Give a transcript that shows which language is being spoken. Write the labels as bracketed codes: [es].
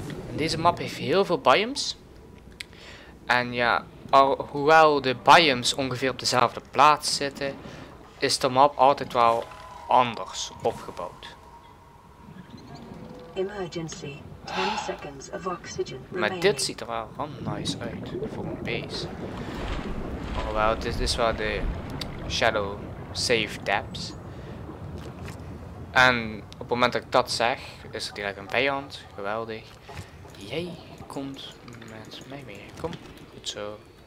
[nl] En deze map heeft heel veel biomes. En ja, hoewel de biomes ongeveer op dezelfde plaats zitten, is de map altijd wel anders opgebouwd. [en] Emergency. 10 seconds of oxygen remaining. [nl] Maar dit ziet er wel heel nice uit voor een base. Hoewel, dit is wel de Shadow Save Depths. En op het moment dat ik dat zeg, is er direct een vijand. Geweldig. Jij komt met mij mee. Kom. Goed zo.